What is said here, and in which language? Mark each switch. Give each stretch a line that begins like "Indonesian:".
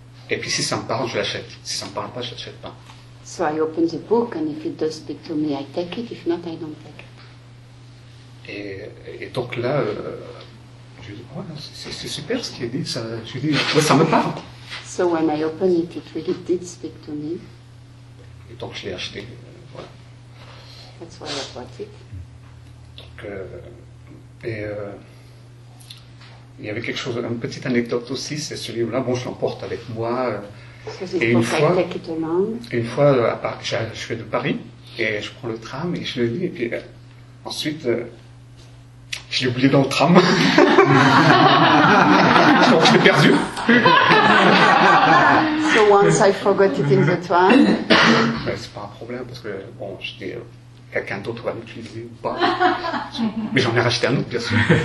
French: Et puis si ça me parle, je l'achète. Si ça me parle pas, je l'achète pas.
English: So I open the book and if it does speak to me, I take it. If not, I don't take it.
French: Et donc là, Je dis, oh, non, c'est super ce qu'il a dit. Ça, je dis, ouais, ça me parle.
English: So when I opened it, it really did speak to me.
French: Et donc je l'ai acheté. Voilà.
English: That's why I bought it.
French: Donc, il y avait quelque chose, une petite anecdote aussi, c'est ce livre-là. Bon, je l'emporte avec moi. Et une fois, je suis de Paris et je prends le tram et je le lis. Et puis ensuite, je l'ai oublié dans le tram. Donc je l'ai perdu.
English: So once I forgot it in the tram.
French: Mais c'est pas un problème parce que, bon, je dis, quelqu'un d'autre va l'utiliser ou pas. Mais j'en ai racheté un autre, bien sûr.